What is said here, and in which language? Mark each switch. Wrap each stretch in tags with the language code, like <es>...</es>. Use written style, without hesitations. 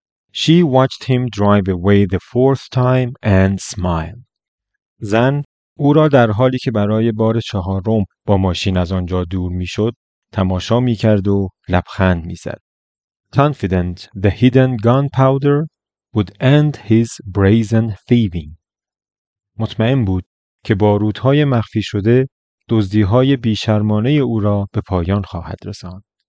<en>She watched him drive away the fourth time and smiled.</en> <fa>زن او را در حالی که برای بار چهارم با ماشین از آنجا دور می شد تماشا می کرد و لبخند می زد.</fa> <en>Confident the hidden gunpowder would end his brazen thieving.</en> <fa>مطمئن بود که بارودهای مخفی شده دزدی‌های بی‌شرمانه او را به پایان خواهد رساند.</fa>